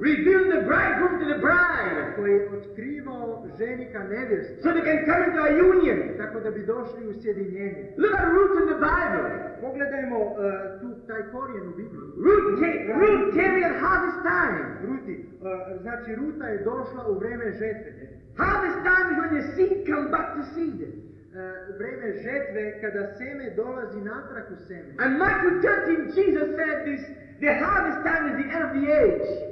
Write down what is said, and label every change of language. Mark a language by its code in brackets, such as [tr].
[en] Revealed the bridegroom to the bride. [hr] Koji je otkrivao ženika nevjesta. [en] So they can come into a union. [hr] Tako da bi došli u sjedinjenje. [en] Look at Ruth in the Bible. [hr] Pogledajmo tu taj korijen u Bibliji. [en] Ruth came at harvest time. [hr] Ruti. Znači Ruta je došla u vreme žetvenje. [en] Harvest time when the seed come back to seed. [hr] Vreme žetve kada seme dolazi natrag u seme. [en] And Matthew 13 Jesus said this, the harvest time is the end of the age.